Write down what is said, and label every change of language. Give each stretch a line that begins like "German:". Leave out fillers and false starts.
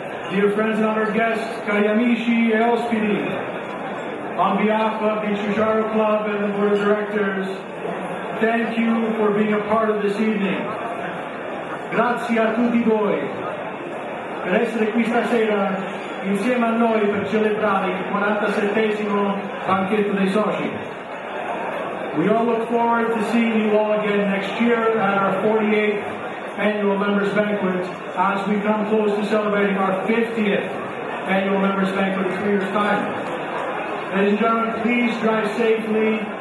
English: Dear friends and honored guests,
Italian: cari amici e ospiti,
English: on behalf of the Ciociaro Club and the Board of Directors, thank you for being a part of this evening.
Italian: Grazie a tutti voi per essere qui stasera insieme a noi per celebrare il 47esimo banchetto dei soci.
English: We all look forward to seeing you all again next year at our 48th Annual Members Banquet as we come close to celebrating our 50th Annual Members Banquet in 3 years' time. Ladies and gentlemen, please drive safely.